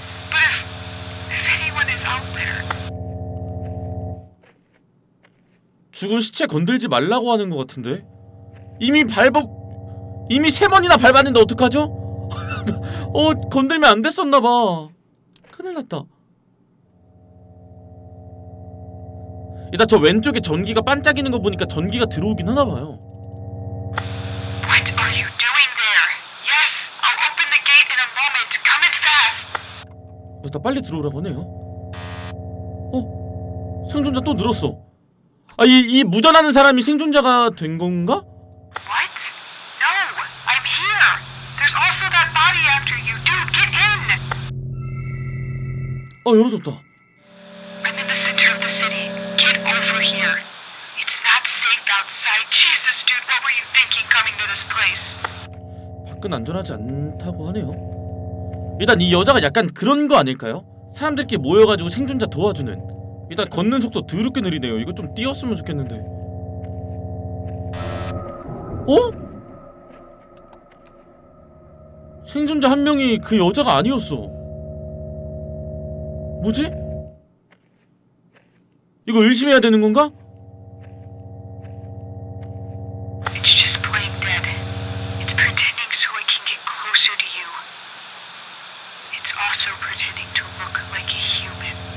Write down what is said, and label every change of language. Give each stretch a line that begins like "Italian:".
English: But if anyone is out there.
Korean: 죽은 시체 건들지 말라고 하는 것 같은데. 이미 이미 세 번이나 밟았는데 어떡하죠? 어, 건들면 안 됐었나 봐. 큰일 났다. 일단 저 왼쪽에 전기가 반짝이는 거 보니까 전기가 들어오긴 하나 봐요.
English: What are you doing there? Yes, I'll open the gate in a moment. Come in fast.
Korean: 어, 나 빨리 들어오라고 하네요. 어? 생존자 또 늘었어. 아, 이 무전하는 사람이 생존자가 된 건가?
English: What? No, I'm here. There's also that body after you. Dude, get in.
Korean: 어, 열어줬다.
English: I'm in the center of the city. Get over here. It's not safe outside. Jesus, dude, what were you thinking coming to this place?
Korean: 밖은 안전하지 않다고 하네요. 일단 이 여자가 약간 그런 거 아닐까요? 사람들끼리 모여가지고 생존자 도와주는. 일단 걷는 속도 드럽게 느리네요. 이거 좀 뛰었으면 좋겠는데. 어? 생존자 한 명이 그 여자가 아니었어. 뭐지? 이거 의심해야 되는 건가?
English: It's just playing dead. It's pretending so it can get closer to you. It's also pretending to look like a human.